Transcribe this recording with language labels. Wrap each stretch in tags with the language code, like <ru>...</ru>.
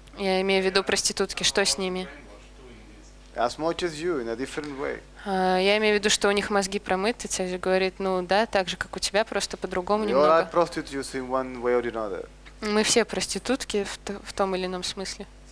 <ru>Я имею в виду проститутки, что с ними?</ru> <en>As much as you, in a different way.</en> <ru>Я имею в виду, что у них мозги промыты, царь говорит, ну да, так же, как у тебя, просто по-другому немного. Мы все проститутки в том или ином смысле.</ru>